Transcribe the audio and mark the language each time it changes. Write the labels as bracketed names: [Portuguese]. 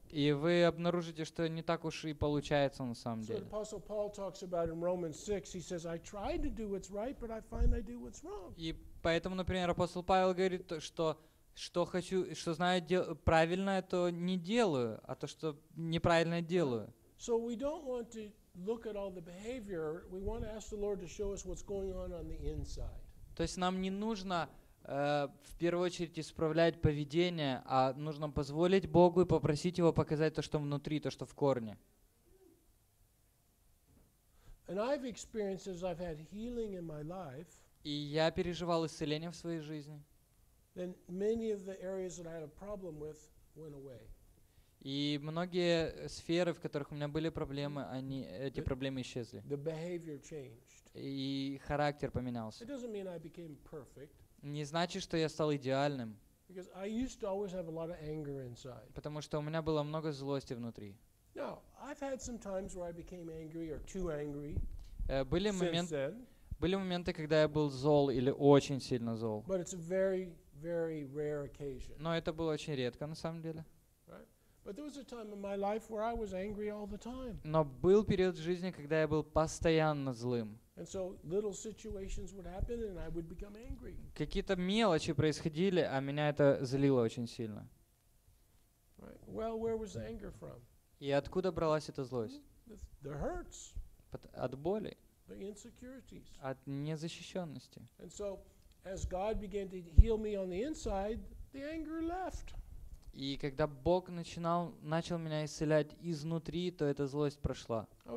[Russian] И вы обнаружите, что не так уж и получается на самом деле. [English] Apostle Paul talks about in Romans 6, he says, I tried to do what's right, but I find I do what's wrong. [Russian] И поэтому, например, апостол Павел говорит, что знаю правильное, то не делаю, а то, что неправильное, делаю. [English] So we don't want to look at all the behavior, we want to ask the Lord to show us what's going on the inside. [Russian] То есть нам не нужно в первую очередь исправлять поведение, а нужно позволить Богу и попросить Его показать то, что внутри, то, что в корне. [English] And I've experienced as I've had healing in my life. [Russian] И я переживал исцеление в своей жизни. [English] Then many of the areas that I had a problem with went away. [Russian] И многие сферы, в которых у меня были проблемы, эти проблемы исчезли. [English] The behavior changed. [Russian] И характер поменялся. [English] It doesn't mean I became perfect. [Russian] Не значит, что я стал идеальным. [English] Because I used to always have a lot of anger inside. [Russian] Потому что у меня было много злости внутри. [English] No, I've had some times where I became angry or too angry. [Russian] Были моменты, когда я был зол или очень сильно зол. [English] But it's a very, very rare occasion. [Russian] Но это было очень редко на самом деле. [English] But there was a time in my life where I was angry all the time. [Russian] Но был период в жизни, когда я был постоянно злым. [English] And so little situations would happen and I would become angry. [Russian] Какие-то мелочи происходили, а меня это злило очень сильно. [English] Right. Well, where was the anger from? [Russian] И откуда бралась эта злость? [English] The hurts. [Russian] От боли. [English] The insecurities. [Russian] От незащищенности. [English] And so as God began to heal me on the inside, the anger left. [Russian] И когда Бог начал меня исцелять изнутри, то эта злость прошла.